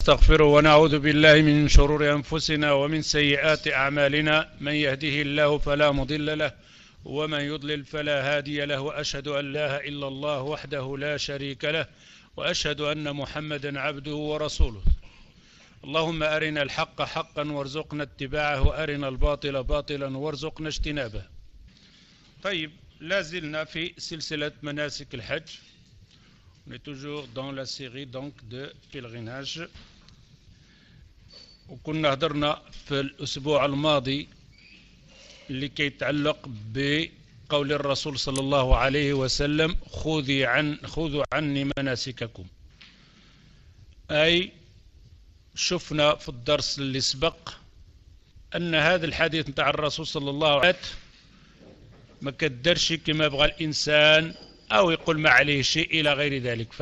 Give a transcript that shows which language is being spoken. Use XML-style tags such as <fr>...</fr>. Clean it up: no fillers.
<ar>نستغفره ونعوذ بالله من شرور أنفسنا ومن سيئات أعمالنا، من يهده الله فلا مضل له ومن يضلل فلا هادي له، وأشهد أن لا إله إلا الله وحده لا شريك له، وأشهد أن محمدا عبده ورسوله. اللهم أرنا الحق حقا وارزقنا اتباعه، وأرنا الباطل باطلا وارزقنا اجتنابه. طيب، لازلنا في سلسلة مناسك الحج.</ar> <fr>On est toujours dans la série donc de pèlerinage.</fr> <ar>وكنا هضرنا في الأسبوع الماضي اللي كيتعلق بقول الرسول صلى الله عليه وسلم خذوا عني مناسككم. أي شفنا في الدرس اللي سبق أن هذا الحديث نتاع الرسول صلى الله عليه وسلم ما كدرش كما بغى الإنسان أو يقول ما عليه شيء إلى غير ذلك.</ar>